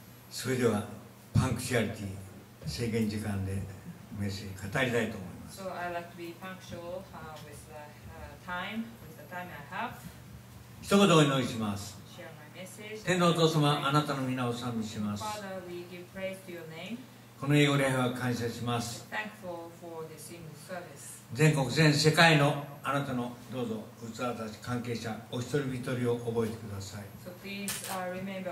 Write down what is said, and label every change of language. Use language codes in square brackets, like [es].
[ja] それではパンクチュアリティ制限時間でメッセージ語りたいと思います。 [en] So I like to be punctual with the time I have. [ja] 一言お祈りします。 [en] Share my message. [ja] 天のお父様、あなたの名を賛美します。 [en] Father, we give praise to your name. [ja] この英語礼拝は感謝します。 [en] Thankful for this in service. [ja] 全国全世界のあなたのどうぞ器たち関係者お一人一人を覚えてください。